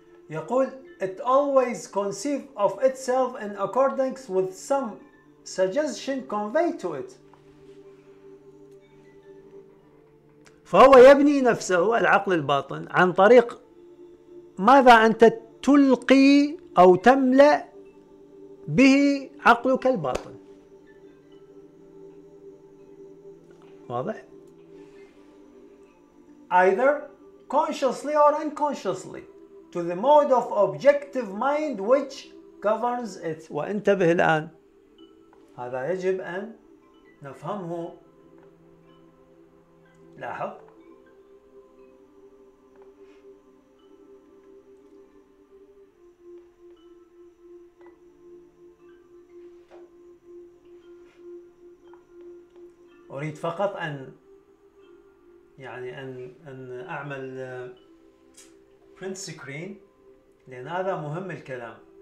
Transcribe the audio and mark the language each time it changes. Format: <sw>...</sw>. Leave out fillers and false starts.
<ar>يقول</ar> <en>it always conceive of itself in accordance with some suggestion conveyed to it.</en> <ar>فهو يبني نفسه العقل الباطن عن طريق ماذا أنت تلقي أو تملأ به عقلك الباطن. واضح؟</ar> <en>either consciously or unconsciously to the mode of objective mind which governs it.</en> <ar>وانتبه الآن، هذا يجب أن نفهمه. لاحظ، أريد فقط أن يعني أن أعمل print screen لأن هذا مهم الكلام،</ar>